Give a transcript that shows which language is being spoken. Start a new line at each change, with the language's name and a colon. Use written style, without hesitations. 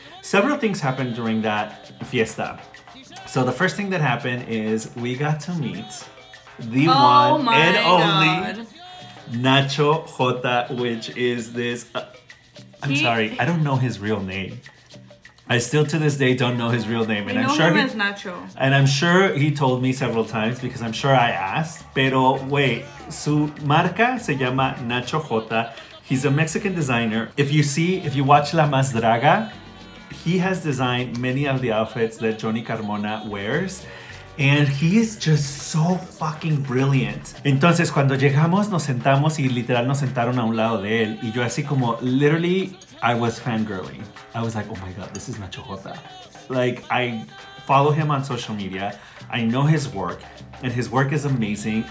English: Several things happened during that fiesta. So the first thing that happened is we got to meet the Nacho Jota, which is this... I don't know his real name. I still to this day don't know his real name. And I'm sure is Nacho. And I'm sure he told me several times, because I'm sure I asked.
Spanish: Pero
English: wait,
Spanish: su marca se llama Nacho Jota.
English: He's a Mexican designer. If you watch La Más Draga, he has designed many of the outfits that Johnny Carmona wears. And he is just so fucking brilliant.
Spanish: Entonces, cuando llegamos, nos sentamos y literal nos sentaron a un lado de él. Y yo así como,
English: literally, I was fangirling. I was like, oh my God, this is Nacho Jota. Like, I follow him on social media. I know his work, and his work is amazing.